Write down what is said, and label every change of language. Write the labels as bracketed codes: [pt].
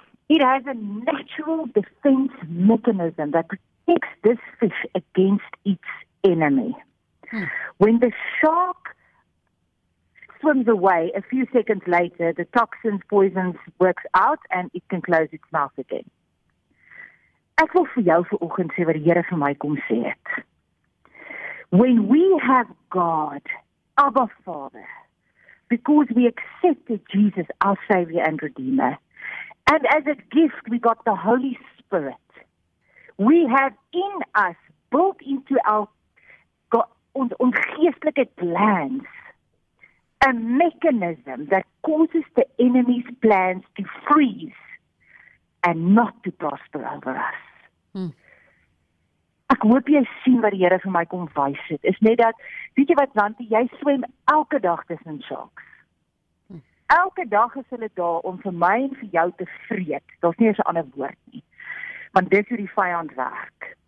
[en] It has a natural defense mechanism that protects this fish against its enemy. Hmm. When the shark swims away, a few seconds later, the toxins, poisons works out and it can close its mouth again. [af] Ek wil vir jou vanoggend sê wat die Here vir my kom sê het. [en] When we have God, our Father, because we accepted Jesus, our Savior and Redeemer, and as a gift we got the Holy Spirit, we have in us, built into our God, [af] ons geestelike [en] glands, a mechanism that causes the enemy's plans to freeze and not to prosper over us. [af] Ek hoop jy sien wat die Here vir my kom wys het. Is net dat, weet jy wat, Nanti, jy swem elke dag tussen sharks. Elke dag is hulle daar om vir my en vir jou te vreet. Daar's nie eens 'n ander woord nie. Want dit is hoe die vyand werk.